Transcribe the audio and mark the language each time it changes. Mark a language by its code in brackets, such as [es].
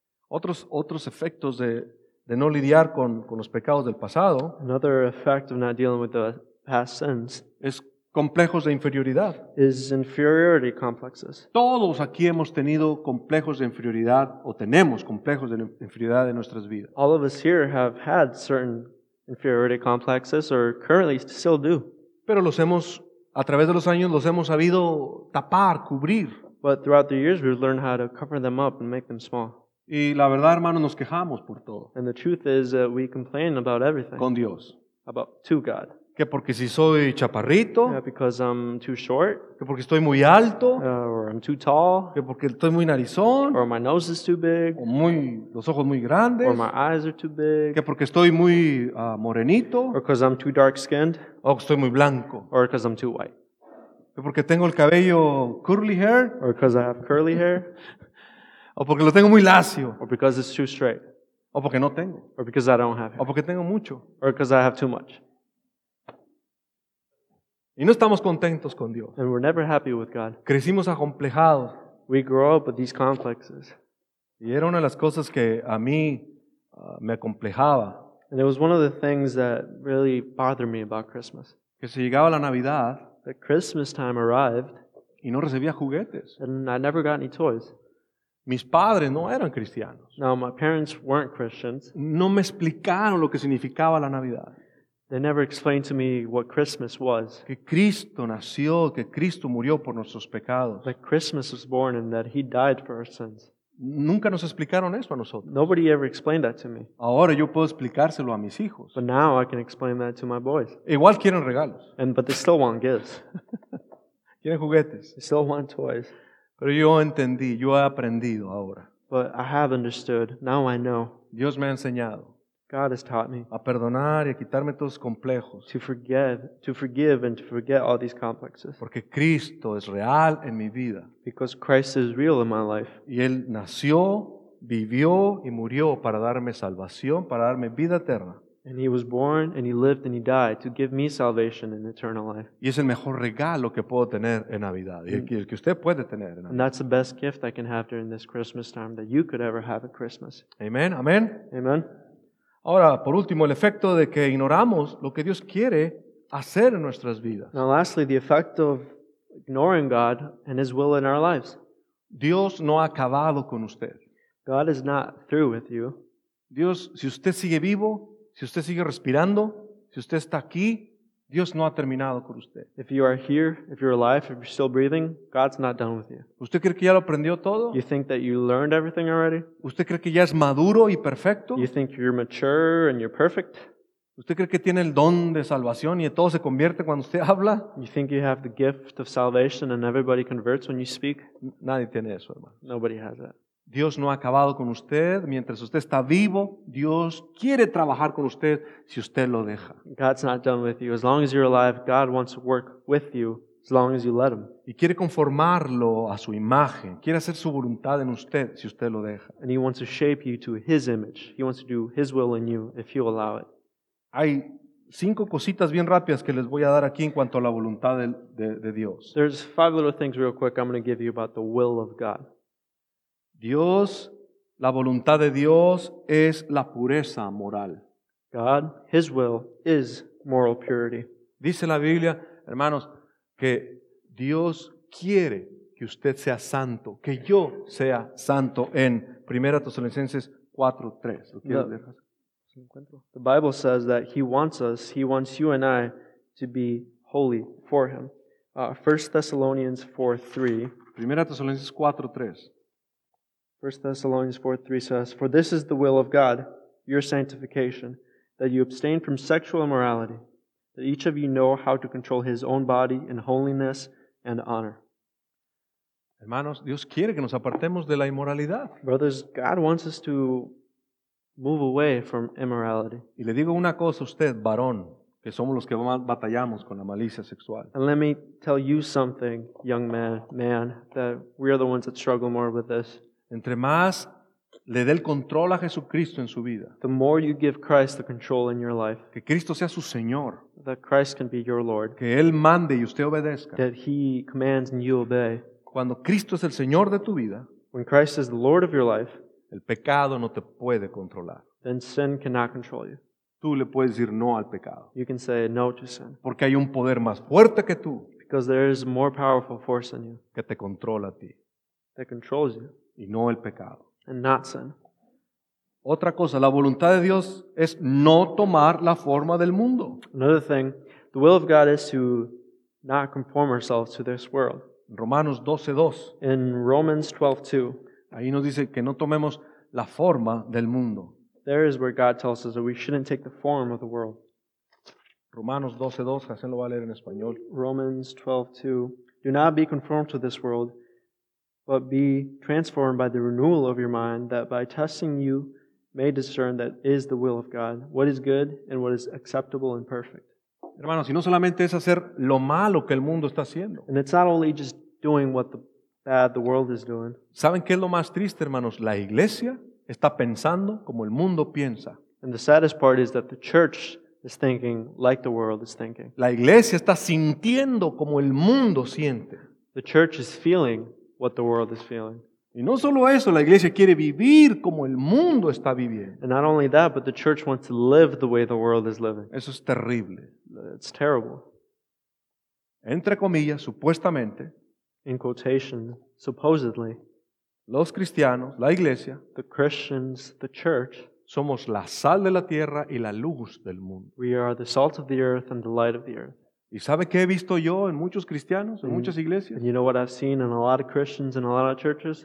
[es] Otros efectos de no lidiar con los pecados del pasado. [en] Another effect of not dealing with the past sins. [es] Es complejos de inferioridad. [en] Is inferiority complexes. [es] Todos aquí hemos tenido complejos de inferioridad o tenemos complejos de inferioridad en nuestras vidas. [en] All of us here have had certain inferiority complexes or currently still do. [es] Pero los hemos, a través de los años, los hemos sabido tapar, cubrir. [en] But throughout the years we've learned how to cover them up and make them small. [es] Y la verdad, hermanos, nos quejamos por todo. [en] And the truth is that we complain about everything. [es] Con Dios. [en] About to God. [es] Que porque si soy chaparrito. [en] Yeah, because I'm too short. [es] Que porque estoy muy alto. [en] Or I'm too tall. [es] Que porque estoy muy narizón. [en] Or my nose is too big. [es] O muy, los ojos muy grandes. [en] Or my eyes are too big. [es] Que porque estoy muy morenito. [en] Or because I'm too dark skinned. [es] O que estoy muy blanco. [en] Or because I'm too white. [es] Que porque tengo el cabello [en] curly hair. Or because I have curly hair. [es] O porque lo tengo muy lacio. [en] Or because it's too straight. [es] O porque no tengo. [en] Or because I don't have hair. [es] O porque tengo mucho. [en] Or because I have too much. [es] Y no estamos contentos con Dios. [en] And we're never happy with God. [es] Crecimos acomplejados. [en] We grow up with these complexes. [es] Y era una de las cosas que a mí me acomplejaba. [en] And it was one of the things that really bothered me about Christmas. [es] Que se llegaba la Navidad. [en] That Christmas time arrived. [es] Y no recibía juguetes. [en] And I never got any toys. [es] Mis padres no eran cristianos. [en] Now, my parents weren't Christians. [es] No me explicaron lo que significaba la Navidad. [en] They never explained to me what Christmas was. [es] Que Cristo nació, que Cristo murió por nuestros pecados. [en] That Christmas was born and that He died for our sins. [es] Nunca nos explicaron eso a nosotros. [en] Nobody ever explained that to me. [es] Ahora yo puedo explicárselo a mis hijos. [en] But now I can explain that to my boys. [es] Igual quieren regalos. [en] But they still want gifts. [es] Quieren juguetes. [en] They still want toys. [es] Pero yo entendí, yo he aprendido ahora. [en] But I have understood. Now I know. [es] Dios me ha enseñado. [en] God has taught me [es] a perdonar y a quitarme todos los complejos. [en] To forgive and to forget all these complexes. [es] Porque Cristo es real en mi vida. [en] Because Christ is real in my life. [es] Y Él nació, vivió y murió para darme salvación, para darme vida eterna. [en] And He was born and He lived and He died to give me salvation and eternal life. [es] Y es el mejor regalo que puedo tener en Navidad. Y el que usted puede tener en Navidad. [en] And that's the best gift I can have during this Christmas time that you could ever have at Christmas. [es] Amen. Amen. [en] Amen. [es] Ahora, por último, el efecto de que ignoramos lo que Dios quiere hacer en nuestras vidas. [en] Now lastly, the effect of ignoring God and His will in our lives. [es] Dios no ha acabado con usted. [en] God is not through with you. [es] Dios, si usted sigue vivo, si usted sigue respirando, si usted está aquí, Dios no ha terminado con usted. [en] If you are here, if you're alive, if you're still breathing, God's not done with you. [es] ¿Usted cree que ya lo aprendió todo? [en] You think that you learned everything already? [es] ¿Usted cree que ya es maduro y perfecto? [en] You think you're mature and you're perfect? [es] ¿Usted cree que tiene el don de salvación y todo se convierte cuando usted habla? [en] You think you have the gift of salvation and everybody converts when you speak? [es] Nadie tiene eso, hermano. [en] Nobody has that. [es] Dios no ha acabado con usted. Mientras usted está vivo, Dios quiere trabajar con usted si usted lo deja. [en] God's not done with you. As long as you're alive, God wants to work with you as long as you let Him. [es] Y quiere conformarlo a su imagen. Quiere hacer su voluntad en usted si usted lo deja. [en] And He wants to shape you to His image. He wants to do His will in you if you allow it. [es] Hay cinco cositas bien rápidas que les voy a dar aquí en cuanto a la voluntad de Dios. [en] There's five little things real quick I'm going to give you about the will of God. [es] Dios, la voluntad de Dios es la pureza moral. [en] God, His will is moral purity. [es] Dice la Biblia, hermanos, que Dios quiere que usted sea santo, que yo sea santo en 1 Tesalonicenses 4:3. [en] The Bible says that He wants us, He wants you and I to be holy for Him. 1 Thessalonians 4:3. [es] 1 Tesalonicenses 4:3. [en] 1 Thessalonians 4:3 says, "For this is the will of God, your sanctification, that you abstain from sexual immorality, that each of you know how to control his own body in holiness and honor." [es] Hermanos, Dios quiere que nos apartemos de la inmoralidad. [en] Brothers, God wants us to move away from immorality. [es] Y le digo una cosa a usted, varón, que somos los que más batallamos con la malicia sexual. [en] And let me tell you something, young man, that we are the ones that struggle more with this. [es] Entre más le dé el control a Jesucristo en su vida. [en] The more you give Christ the control in your life. [es] Que Cristo sea su Señor. [en] That Christ can be your Lord. [es] Que Él mande y usted obedezca. [en] That He commands and you obey. [es] Cuando Cristo es el Señor de tu vida. [en] When Christ is the Lord of your life. [es] El pecado no te puede controlar. [en] Then sin cannot control you. [es] Tú le puedes decir no al pecado. [en] You can say no to sin. [es] Porque hay un poder más fuerte que tú. [en] Because there is a more powerful force than you. [es] Que te controla a ti. [en] That controls you. [es] Y no el pecado. [en] And not sin. [es] Otra cosa, la voluntad de Dios es no tomar la forma del mundo. [en] Another thing, the will of God is to not conform ourselves to this world. [es] Romanos 12:2. [en] In Romans 12:2. [es] Ahí nos dice que no tomemos la forma del mundo. [en] There is where God tells us that we shouldn't take the form of the world. [es] Romanos 12:2, Jacen lo va a leer en español. [en] Romans 12:2. Do not be conformed to this world, but be transformed by the renewal of your mind, that by testing you may discern that is the will of God, what is good and what is acceptable and perfect. [es] Hermanos, y no solamente es hacer lo malo que el mundo está haciendo. [en] And it's not only just doing what the bad the world is doing. [es] ¿Saben qué es lo más triste, hermanos? La iglesia está pensando como el mundo piensa. [en] And the saddest part is that the church is thinking like the world is thinking. [es] La iglesia está sintiendo como el mundo siente. [en] The church is feeling what the world is feeling. [es] Y no solo eso, la iglesia quiere vivir como el mundo está viviendo. [en] And not only that, but the church wants to live the way the world is living. [es] Eso es terrible. [en] It's terrible. [es] Entre comillas, supuestamente, [en] in quotation, supposedly, [es] los cristianos, la iglesia, [en] the Christians, the church, [es] somos la sal de la tierra y la luz del mundo. [en] We are the salt of the earth and the light of the earth. [es] ¿Y sabe qué he visto yo en muchos cristianos, en muchas iglesias? [en] You know what I've seen in a lot of Christians and a lot of churches?